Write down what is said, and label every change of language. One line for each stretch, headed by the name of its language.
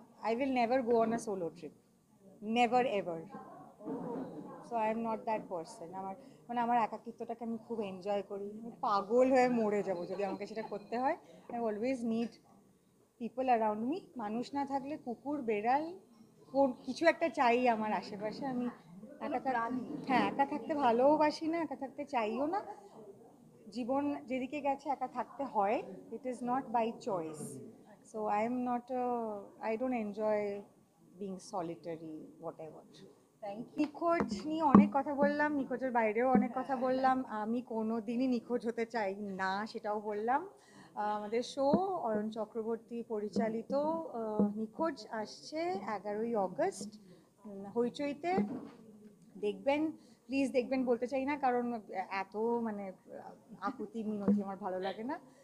English: I will never go on a solo trip. Never ever. So I am not that person.
Bangla: আমার মানে আমার একাকিত্বটাকে আমি খুব enjoy করি, পাগল হয়ে মরে যাবো যদি আমাকে সেটা করতে হয়।
English: I always need people around me,
Bangla: মানুষ না থাকলে কুকুর বেড়াল কোন কিছু একটা চাই আমার আশেপাশে। আমি একা থাকি, হ্যাঁ একা থাকতে ভালোবাসি না, একা থাকতে চাইও না। জীবন যেদিকে গেছে একা থাকতে হয়,
English: It is not by choice. So I am not a, I don't enjoy being solitary, whatever. Thank you.
Bangla: নিখোঁজ নিয়ে অনেক কথা বললাম, নিখোঁজের বাইরেও অনেক কথা বললাম। আমি কোনোদিনই নিখোঁজ হতে চাই না সেটাও বললাম। আমাদের শো অয়ন চক্রবর্তী পরিচালিত নিখোঁজ আসছে 11ই অগস্ট হইচইতে, দেখবেন প্লিজ, দেখবেন বলতে চাই না কারণ এত মানে আকুতি মিনতি আমার ভালো লাগে না।